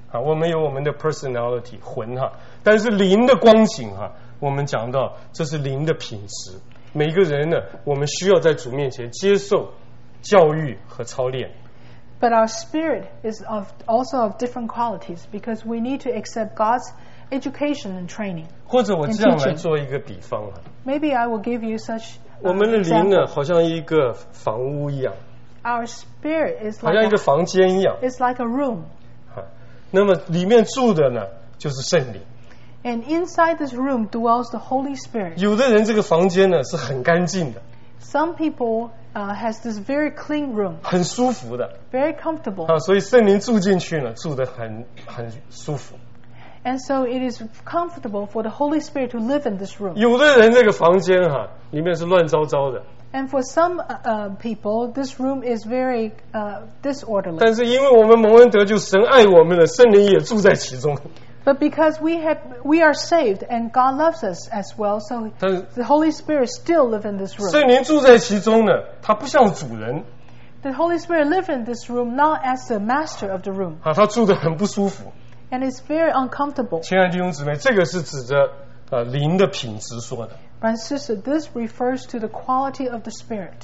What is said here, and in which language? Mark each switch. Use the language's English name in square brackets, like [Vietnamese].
[Chinese] 啊，我们有我们的 personality 魂哈，但是灵的光景哈，我们讲到这是灵的品质。每个人呢，我们需要在主面前接受教育和操练。 [English] But our spirit is also of different qualities because we need to accept God's education and training. [Chinese] 或者我这样来做一个比方啊。 [English] Maybe I will give you such. [Chinese] 我们的灵呢，好像一个房屋一样。 [English] Our spirit is like [Chinese] 好像一个房间一样。 [English] It's like a room. [Chinese] 那么里面住的呢，就是圣灵。 [English] And inside this room dwells the Holy Spirit. [Chinese] 有的人这个房间呢是很干净的。 [English] Some people. Has this very clean room. [Chinese] 很舒服的。 [English] Very comfortable. [Chinese] 所以圣灵住进去呢，住得很舒服。 [English] And so it is comfortable for the Holy Spirit to live in this room. [Chinese] 有的人这个房间哈，里面是乱糟糟的。 [English] And for some people, this room is very disorderly. [Chinese] 但是因为我们蒙恩得救，神爱我们了，圣灵也住在其中。 [English] But because we are saved and God loves us as well, so the Holy Spirit still lives in this room. [Chinese] 圣灵住在其中呢，他不像主人。 [English] The Holy Spirit lives in this room not as the master of the room. [Chinese] 啊，他住得很不舒服。 [English] And it's very uncomfortable. [Chinese] 亲爱的弟兄姊妹，这个是指着灵的品质说的。 [English] And sister, this refers to the quality of the spirit.